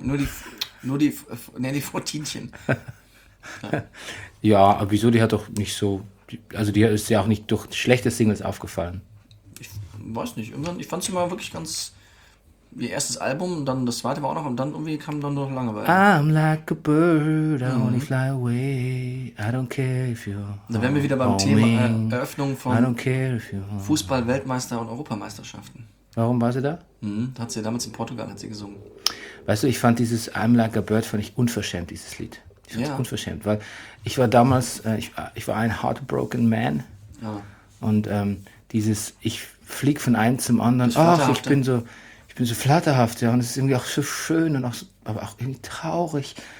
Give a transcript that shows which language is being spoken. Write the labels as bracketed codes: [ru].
[de] Nur die Nelly Furtinchen. Ja, aber wieso? Die hat doch nicht so. Also, die ist ja auch nicht durch schlechte Singles aufgefallen. Ich weiß nicht. Irgendwann, ich fand sie mal wirklich ganz. Ihr erstes Album, dann das zweite war auch noch und dann irgendwie kam dann nur noch Langeweile. [en] I'm like a bird, I only fly away, I don't care if you're home. [de] Da wären wir wieder beim Thema Eröffnung von Fußball-Weltmeister und Europameisterschaften. Warum war sie da? Hat sie damals in Portugal hat sie gesungen. Weißt du, ich fand dieses [en] I'm like a bird, [de] fand ich unverschämt, dieses Lied. Ich fand es unverschämt, weil ich war damals, ich war ein [en] heartbroken man [de] und dieses, ich flieg von einem zum anderen, ich bin so flatterhaft, ja, und es ist irgendwie auch so schön und auch so, aber auch irgendwie traurig.